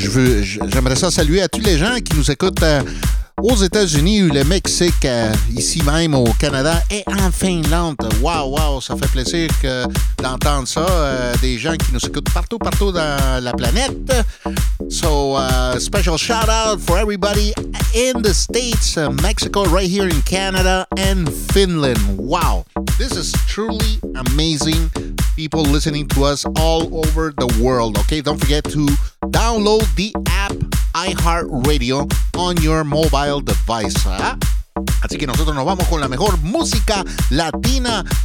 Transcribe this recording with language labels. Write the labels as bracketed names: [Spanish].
[French] J'aimerais saluer a tous les gens qui nous écoutent aux États-Unis, le Mexique, ici même au Canada et en Finlande. Wow, wow, ça fait plaisir d'entendre ça. Des gens qui nous écoutent partout, partout dans la planète. [English] So, special shout out for everybody in the States, Mexico, right here in Canada and Finland. Wow, this is truly amazing. People listening to us all over the world. Okay, don't forget to download the app iHeartRadio on your mobile device. [Spanish] Así que nosotros nos vamos con la mejor música latina.